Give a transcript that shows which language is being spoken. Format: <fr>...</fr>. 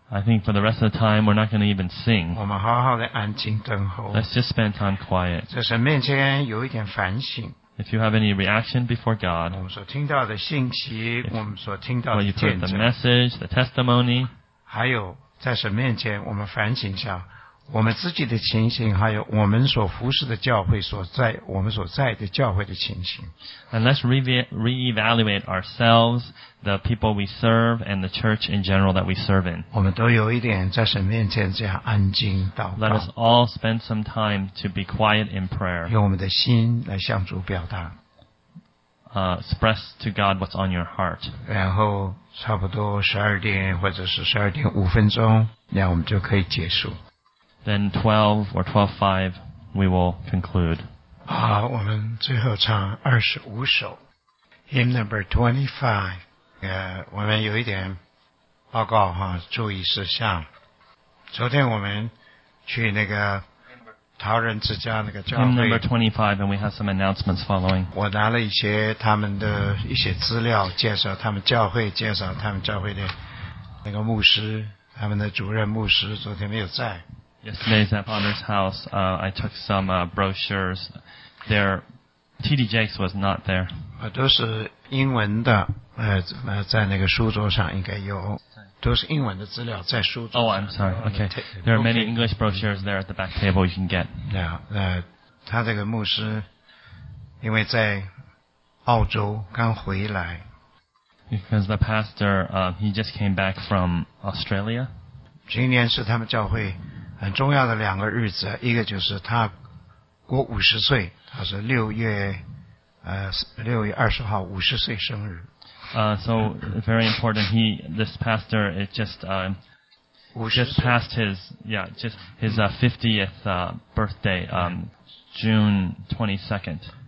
<en>I think for the rest of the time, we're not going to even sing.</en> <zh>我们好好的安静等候。</zh> <en>Let's just spend time quiet.</en> <zh>在神面前有一点反省。</zh> <en>If you have any reaction before God,</en> <zh>我们所听到的信息，我们所听到的见</zh> <en>证。Well, you've heard the message, the testimony.</en> <zh>还有在神面前，我们反省一下我们自己的情形，还有我们所服侍的教会所在，我们所在的教会的情形。</zh> <en>And let's reevaluate ourselves. The people we serve and the church in general that we serve in.</en> <zh>我们都有一点在神面前这样安静祷告。</zh> <en>Let us all spend some time to be quiet in prayer.</en> <zh>用我们的心来向主表达。</zh> <en>Express to God what's on your heart.</en> <zh>然后差不多12点或者是12点5分钟，那我们就可以结束。</zh> <en>Then 12 or 12:05, we will conclude.</en> <zh>好，我们最后唱25首。</zh> <en>Hymn number 25.</en> <zh>我们有一点报告哈，注意事项。昨天我们去那个陶仁之家那个教会。</zh> <en>Hymn number 25, and we have some announcements following.</en> <zh>我拿了一些他们的一些资料，介绍他们教会，介绍他们教会的那个牧师，他们的主任牧师昨天没有在。</zh> <en>Yesterday's at Father's house, I took some brochures. There, T.D. Jakes was not there.</en> <zh>都是英文的。在那个书桌上应该有，都是英文的资料在书桌上。</zh> <en>Oh, I'm sorry. Okay, there are many English brochures there at the back table you can get.</en> <zh>Yeah, 他这个牧师因为在澳洲刚回来。</zh> <en>Because the pastor, he just came back from Australia.</en> <zh>今年是他们教会很重要的两个日子，一个就是他过五十岁，他是6月20号五十岁生日。</zh> <en>So very important. He, this pastor, it just passed his 50th birthday, June 22nd.</en>